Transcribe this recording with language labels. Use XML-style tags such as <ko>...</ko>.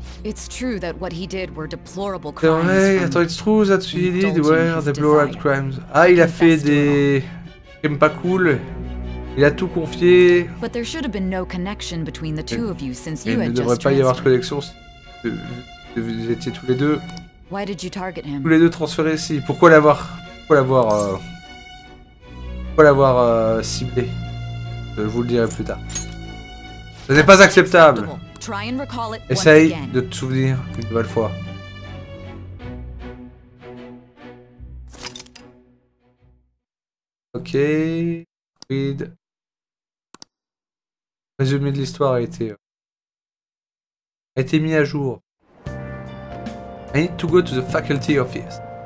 <en>It's true that what he did were deplorable</en> <fr>crimes. C'est vrai.</fr> <en>Attends, it's true that what he did were deplorable crimes.</en> <fr>Ah, il a fait des. J'aime pas cool. Il a tout confié.</fr> <en>But there should have been no connection between the two of you since you had just.</en> <fr>Il ne devrait pas y avoir de connexion si vous étiez tous les deux.</fr> <en>Why did you target him?</en> <fr>Tous les deux transférés, si. Pourquoi l'avoir ciblé? Je vous le dirai plus tard. Ce n'est pas acceptable. Essaye de te souvenir une nouvelle fois.</fr> <en>Ok. Reed.</en> <fr>Résumé de l'histoire a été mis à jour.</fr> <en>I need to go to the faculty office.</en>